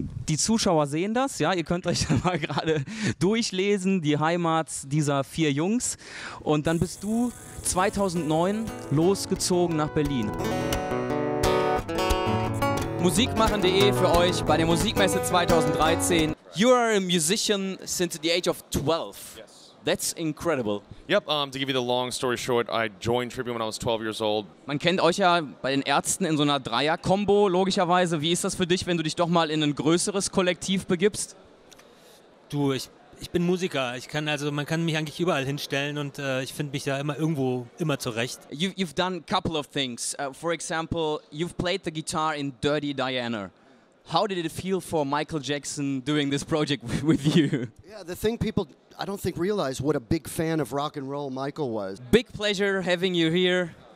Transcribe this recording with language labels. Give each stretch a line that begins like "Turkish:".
German: Die Zuschauer sehen das, ja, ihr könnt euch da mal gerade durchlesen, die Heimat dieser vier Jungs. Und dann bist du 2009 losgezogen nach Berlin. Musikmachen.de für euch bei der Musikmesse 2013.
English: You are a musician since the age of 12. Yes. That's incredible. Yep, to give you the long story short, I joined Tribute when I was 12 years old.
German: Man kennt euch ja bei den Ärzten in so einer Dreier-Kombo, logischerweise. Wie ist das für dich, wenn du dich doch mal in ein größeres Kollektiv begibst? Du, ich bin Musiker. Ich kann also, man kann mich eigentlich überall hinstellen und ich finde mich da immer irgendwo immer zurecht.
English: You've done a couple of things. For example, you've played the guitar in Dirty Diana. How did it feel for Michael Jackson doing this project with you? Yeah, the thing people, I don't think, realize what a big fan of rock and roll Michael was. Big pleasure having you here.